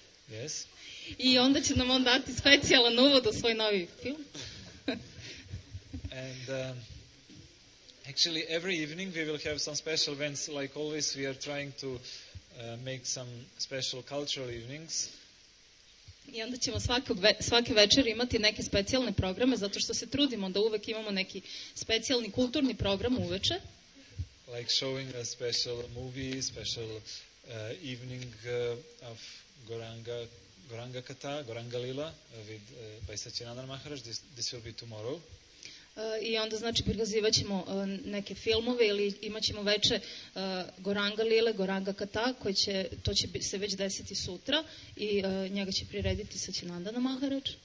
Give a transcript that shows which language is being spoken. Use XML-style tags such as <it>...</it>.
<en>Yes.</en> <sr>I onda će nam on dati specijalan uvod u svoj novi film.</sr> <en>And actually every evening we will have some special events, like always we are trying to make some special cultural evenings.</en> <sr>I onda ćemo svake večer imati neke specijalne programe, zato što se trudimo da uvek imamo neki specijalni kulturni program uveče.</sr> <en>Like showing a special movie, special evening of Goranga Katha, Goranga Lila, with by Satyananda Maharaj. This will be tomorrow.</en> <sr>I onda znači prikazivaćemo neke filmove ili imaćemo veče Goranga Lila, Goranga Katha, to će se već desiti sutra i njega će prirediti Satyananda Maharaj.</sr>